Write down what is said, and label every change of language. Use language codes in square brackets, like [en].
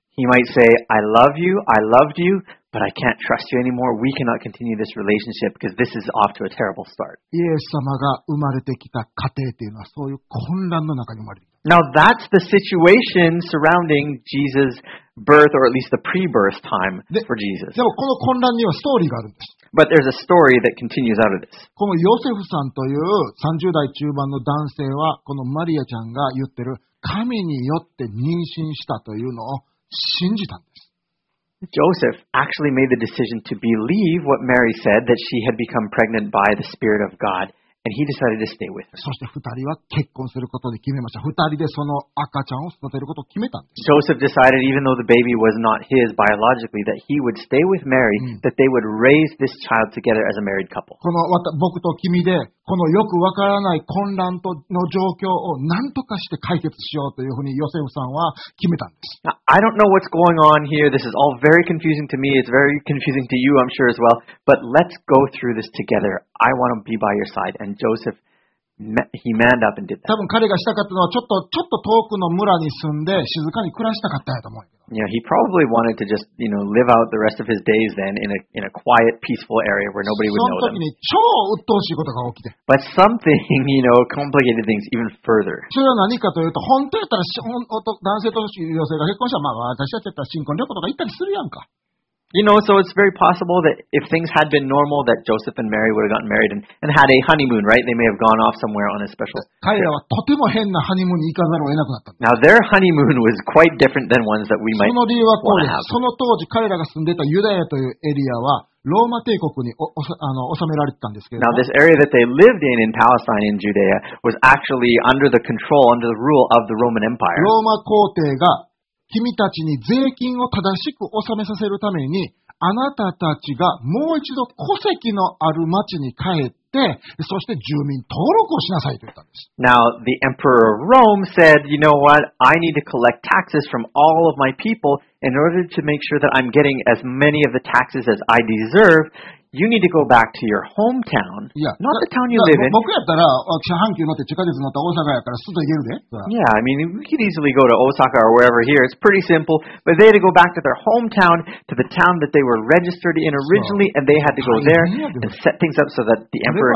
[en] He might say, I love you, I loved you, but I can't trust you anymore. We cannot continue this relationship because this is off to a terrible start. [ja] イエス様が生まれてきた家庭というのはそういう混乱の中に生まれてきた。 [en] Now that's the situation surrounding Jesus' birth, or at least the pre-birth time for Jesus. [ja] でもこの混乱にはストーリーがあるんです。 [en] But there's a story that continues out of this. [ja] このヨセフさんという30代中盤の男性は、このマリアちゃんが言ってる神によって妊娠したというのを信じたんです。 [en] Joseph actually made the decision to believe what Mary said, that she had become pregnant by the Spirit of God, and he decided to stay with her. [ja] そして二人は結婚することに決めました。二人でその赤ちゃんを育てることを決めたんです。 [en] Joseph decided, even though the baby was not his biologically, that he would stay with Mary, that they would raise this child together as a married couple. [ja] この僕と君で、このよくわからない混乱との状況を何とかして解決しようというふうにヨセフさんは決めたんです。 [en] Now, I don't know what's going on here. This is all very confusing to me. It's very confusing to you, I'm sure as well. But let's go through this together. I want to be by your side. And Joseph, he manned up and did that. [ja] 多分彼がしたかったのはちょっと遠くの村に住んで静かに暮らしたかったやと思う。 [en] Yeah, he probably wanted to just, you know, live out the rest of his days then in a quiet, peaceful area where nobody would know him. [ja] その時に超鬱陶しいことが起きて。 [en] But something, you know, complicated things even further. [ja] それは何かというと、本当やったら男性と女性が結婚したら、まあ私たちだったら新婚旅行とか行ったりするやんか。 [en] You know, so it's very possible that if things had been normal, that Joseph and Mary would have gotten married and had a honeymoon, right? They may have gone off somewhere on a special trip. Now, their honeymoon was quite different than ones that we might want to have. [ja] その当時彼らが住んでたユダヤというエリアはローマ帝国に収められてたんですけど。 [en] Now, this area that they lived in Palestine, in Judea, was actually under the control, under the rule of the Roman Empire. [ja] ローマ皇帝が君たちに税金を正しく納めさせるためにあなたたちがもう一度戸籍のある町に帰ってそして住民登録をしなさいと言ったんです。 [en] Now, the Emperor of Rome said, you know what, I need to collect taxes from all of my people in order to make sure that I'm getting as many of the taxes as I deserve. You need to go back to your hometown, not the town you live in. [ja] 僕やったら、私は阪急乗って地下鉄乗った大阪やから、すぐ行けるで。 [en] Yeah, I mean, we could easily go to Osaka or wherever here. It's pretty simple. But they had to go back to their hometown, to the town that they were registered in originally, and they had to go there and set things up so that the emperor